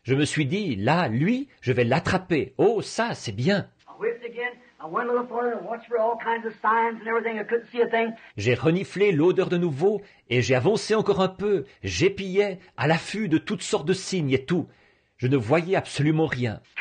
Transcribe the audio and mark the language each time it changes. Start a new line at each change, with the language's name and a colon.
French: Je me suis dit, là, lui, je vais l'attraper. Oh, ça, c'est bien.
English: I whiffed again. I went a little further and watched for all kinds of signs and everything. I couldn't see a thing.
French: J'ai reniflé l'odeur de nouveau et j'ai avancé encore un peu. J'épiais à l'affût de toutes sortes de signes et tout. Je ne voyais absolument rien.